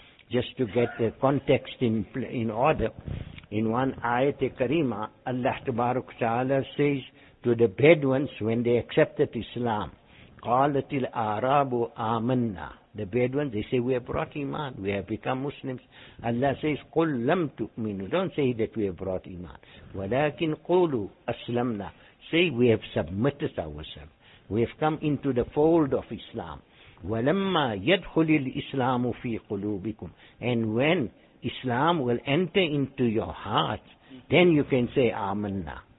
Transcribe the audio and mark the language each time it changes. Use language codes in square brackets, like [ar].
[en] Just to get the context in order, in one ayat kareema, Allah tabaruk ta'ala says to the Bedouins when they accepted Islam, [ar] qalatil arabu amanna. [en] The Bedouins, they say, we have brought Iman, we have become Muslims. Allah says, [ar] قُلْ لَمْ تُؤْمِنُوا. [en] Don't say that we have brought Iman. [ar] وَلَكِنْ قُولُوا أَسْلَمْنَا. [en] Say, we have submitted ourselves. We have come into the fold of Islam. [ar] وَلَمَّا يَدْخُلِ الْإِسْلَامُ فِي قُلُوبِكُمْ. [en] And when Islam will enter into your heart, then you can say, آمَنَّا.